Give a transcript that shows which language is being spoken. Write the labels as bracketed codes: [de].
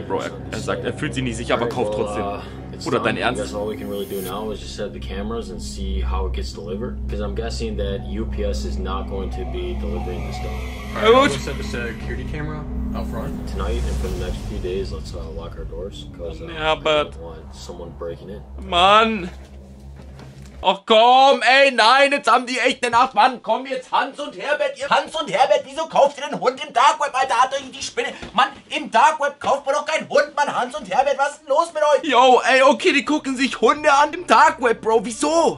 [de] Bro, er sagt, er fühlt sich nicht sicher, aber kauft trotzdem. Oder dein Ernst? [en] All we can really do now is just set the cameras and see how it gets delivered. Because I'm guessing that UPS is not going to be delivering this dog. Alright, we'll set the security camera out front. Tonight and for the next few days, let's lock our doors. Because yeah, but I don't want someone breaking in. [de] Mann! Ach komm, ey, nein, jetzt haben die echt eine Nacht. Mann, komm jetzt, Hans und Herbert, ihr... Hans und Herbert, wieso kauft ihr den Hund im Dark Web, Alter? Hat euch die Spinne... Mann, im Dark Web kauft man doch keinen Hund, Mann. Hans und Herbert, was ist denn los mit euch? Yo, ey, okay, die gucken sich Hunde an im Dark Web, Bro, wieso?